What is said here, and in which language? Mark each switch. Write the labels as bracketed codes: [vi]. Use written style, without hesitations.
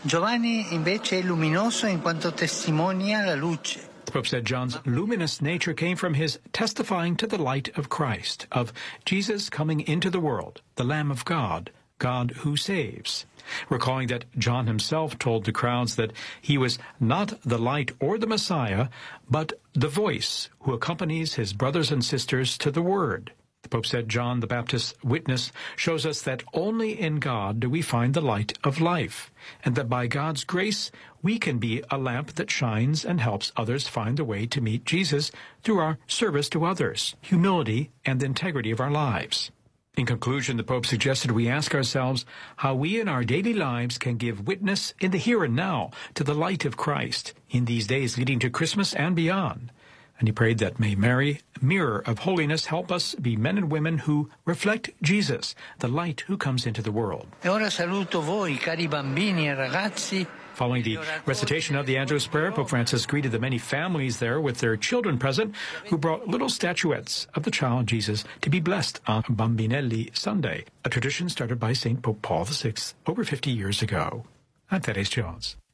[it] Giovanni invece è luminoso in quanto testimonia la luce. [en] The Pope said John's luminous nature came from his testifying to the light of Christ, of Jesus coming into the world, the Lamb of God, God who saves. Recalling that John himself told the crowds that he was not the light or the Messiah, but the voice who accompanies his brothers and sisters to the word. The Pope said John the Baptist's witness shows us that only in God do we find the light of life, and that by God's grace we can be a lamp that shines and helps others find the way to meet Jesus through our service to others, humility, and the integrity of our lives. In conclusion, the Pope suggested we ask ourselves how we in our daily lives can give witness in the here and now to the light of Christ in these days leading to Christmas and beyond. And he prayed that may Mary, mirror of holiness, help us be men and women who reflect Jesus, the light who comes into the world. [it] E ora saluto voi, cari bambini e ragazzi. [en] Following the recitation of the Angelus Prayer, Pope Francis greeted the many families there with their children present who brought little statuettes of the child Jesus to be blessed on Bambinelli Sunday, a tradition started by St. Pope Paul VI over 50 years ago. I'm Therese Jones.